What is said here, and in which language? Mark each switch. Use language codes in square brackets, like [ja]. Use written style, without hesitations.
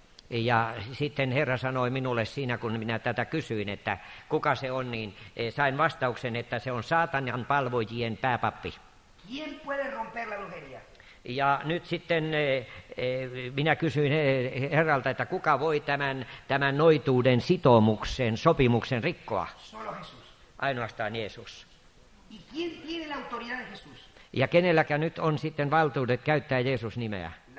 [fi] Ja sitten Herra sanoi minulle siinä, kun minä tätä kysyin, että kuka se on, niin sain vastauksen, että se on saatanan palvojien pääpappi. [es] ¿Quién puede romper la brujería? [fi] Ja nyt sitten minä kysyin Herralta, että kuka voi tämän noituuden sitoumuksen, sopimuksen rikkoa? [es] Solo Jesús. [fi] Ainoastaan Jeesus. [es] ¿Y quién tiene la autoridad de Jesús? [fi] Ja kenelläkään nyt on sitten valtuudet käyttää Jeesus nimeä?